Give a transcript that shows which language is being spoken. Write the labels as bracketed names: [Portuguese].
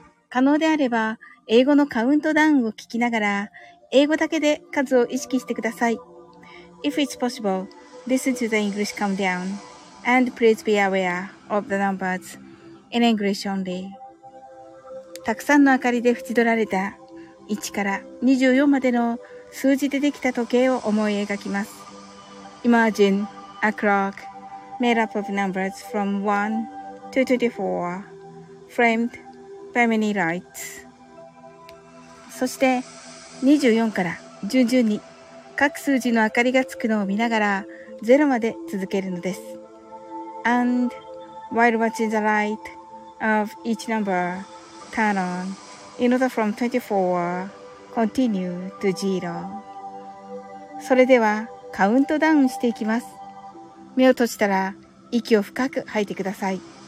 [Japanese] 可能であれば英語のカウントダウンを聞きながら英語だけで数を意識してください。 [English] If it's possible, listen to the English countdown and please be aware of the numbers in English only. [Japanese] たくさんの明かりで縁取られた1から24までの数字でできた時計を思い描きます。 [English] Imagine a clock made up of numbers from 1 to 24, framed by many lights. [Japanese] そして24から順々に各数字の明かりがつくのを見ながら0まで続けるのです。 [English] And while watching the light of each number turn on in order from 24, continue to 0. [Japanese] それではカウントダウンしていきます。目を閉じたら息を深く吐いてください。